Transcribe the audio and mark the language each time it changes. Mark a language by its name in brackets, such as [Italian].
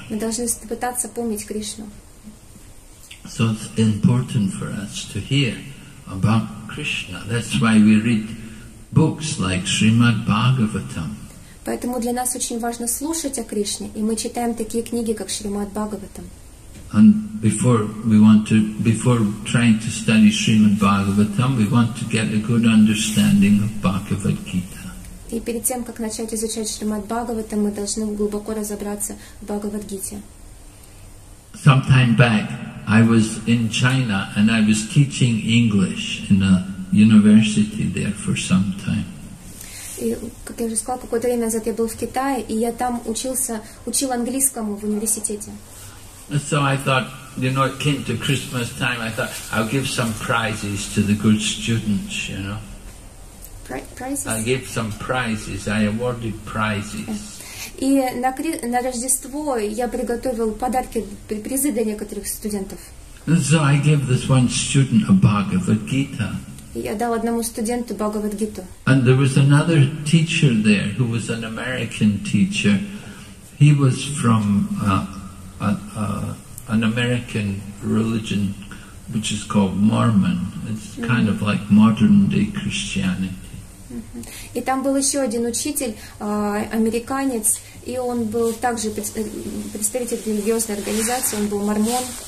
[Russian] Мы должны пытаться помнить Кришну. [English] So it's important for us to hear about Krishna. That's why we read books like Srimad Bhagavatam. [Russian] Поэтому для нас очень важно слушать о Кришне, и мы читаем такие книги, как Шримад Бхагаватам. [English] And before trying to study Srimad Bhagavatam, we want to get a good understanding of Bhagavad Gita. [Russian] И перед тем, как начать изучать Шримад Бхагаватам, мы должны глубоко разобраться в Бхагавад-гите. [English] Some time back, I was in China and I was teaching English in a university there for some time. [Russian] И, как я уже сказала, какое-то время назад я был в Китае, и я там учил английскому в университете. [English] So I thought, you know, it came to Christmas time, I thought, I'll give some prizes to the good students, you know. Prizes. I gave some prizes. I awarded prizes. [Russian] И на Рождество я приготовил подарки, призы для некоторых студентов. [English] So I gave this one student a Bhagavad Gita. [Russian] Я дал одному студенту Бхагавад Гиту. [English] And there was another teacher there who was an American teacher. He was from an American religion, which is called Mormon. It's kind of like modern day Christianity. [Russian] И там был еще один учитель, американец, и он был также представитель религиозной организации, он был мормон.